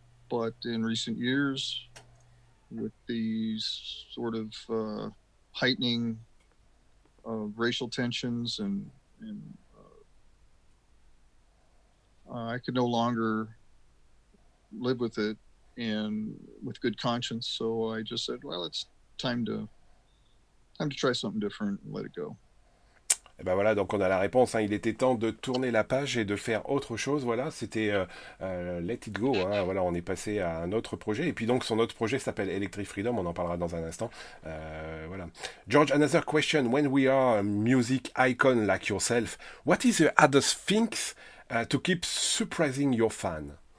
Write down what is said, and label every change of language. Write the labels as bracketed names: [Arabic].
[English] But in recent years, with these sort of heightening of racial tensions and I could no longer live with it and with good conscience. So I just said, well, it's time to try something different and let it go. [French] Et ben voilà, donc on a la réponse, hein. Il était temps de tourner la page et de faire autre chose. Voilà, c'était Let It Go, hein. Voilà, on est passé à un autre projet, et puis donc son autre projet s'appelle Electric Freedom, on en parlera dans un instant. Voilà. [English] George, another question: when we are a music icon like yourself, what is the hardest thing to keep surprising your fan?